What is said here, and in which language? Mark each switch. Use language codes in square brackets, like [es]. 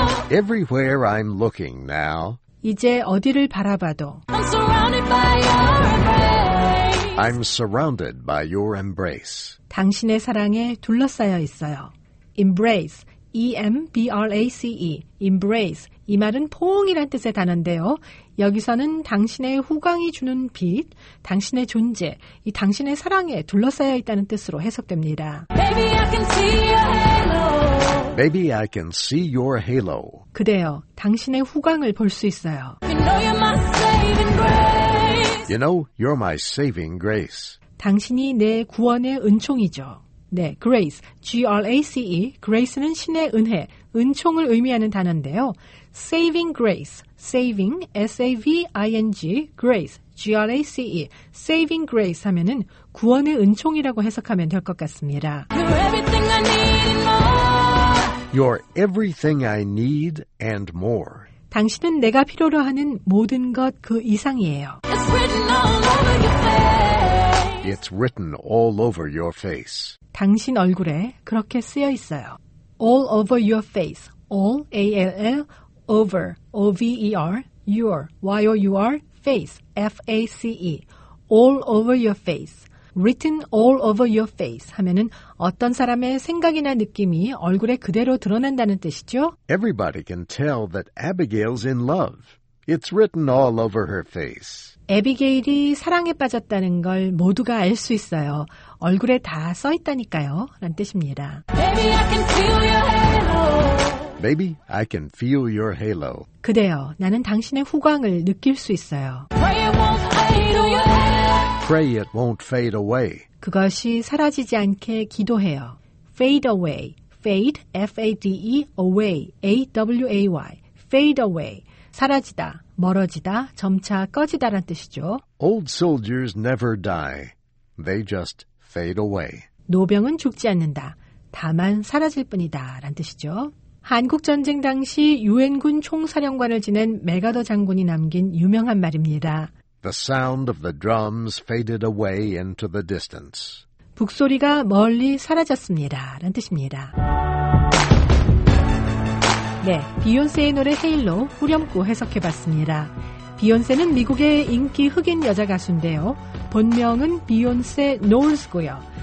[en] Everywhere I'm looking now. [ko] 이제 어디를 바라봐도. [en] I'm surrounded by your embrace. I'm surrounded by your embrace. [ko] 당신의 사랑에 둘러싸여 있어요. [en] Embrace. E-M-B-R-A-C-E, embrace. [ko] 이 말은 포옹이란 뜻의 단어인데요. 여기서는 당신의 후광이 주는 빛, 당신의 존재, 이 당신의 사랑에 둘러싸여 있다는 뜻으로 해석됩니다. [en] Baby, I can see your halo. Baby, I can see your halo. [ko] 그대여, 당신의 후광을 볼 수 있어요. [en] You know you're my saving grace. You know you're my saving grace. [ko] 당신이 내 구원의 은총이죠. 네, grace, G-R-A-C-E, grace는 신의 은혜, 은총을 의미하는 단어인데요. [en] saving grace, saving, S-A-V-I-N-G, grace, G-R-A-C-E, saving grace [ko] 하면은 구원의 은총이라고 해석하면 될 것 같습니다. [en] You're everything I need and more. You're everything I need and more. [ko] 당신은 내가 필요로 하는 모든 것 그 이상이에요. [en] It's written all over your face. It's written all over your face. [ko] 당신 얼굴에 그렇게 쓰여 있어요. [en] All over your face. All, A-L-L, over, O-V-E-R, your, Y-O-U-R, face, F-A-C-E. All over your face. Written all over your face [ko] 하면은 어떤 사람의 생각이나 느낌이 얼굴에 그대로 드러난다는 뜻이죠. [en] Everybody can tell that Abigail's in love. It's written all over her face. [ko] 에비게일이 사랑에 빠졌다는 걸 모두가 알 수 있어요. 얼굴에 다 써 있다니까요. 라는 뜻입니다. [en] Baby, I can feel your halo. Baby, I can feel your halo. [ko] 그대여, 나는 당신의 후광을 느낄 수 있어요. [en] Pray it won't fade away. Pray it won't fade away. [ko] 그것이 사라지지 않게 기도해요. [en] Fade away. Fade, F-A-D-E, away, A-W-A-Y. Fade away. [ko] 사라지다, 멀어지다, 점차 꺼지다란 뜻이죠. [en] Old soldiers never die. They just fade away. [ko] 노병은 죽지 않는다. 다만 사라질 뿐이다. 란 뜻이죠. 한국전쟁 당시 유엔군 총사령관을 지낸 맥아더 장군이 남긴 유명한 말입니다. [en] The sound of the drums faded away into the distance. [ko] 북소리가 멀리 사라졌습니다. 란 뜻입니다. 네, 비욘세의 노래 헤일로 후렴구 해석해봤습니다. 비욘세는 미국의 인기 흑인 여자 가수인데요. 본명은 비욘세 노울스고요.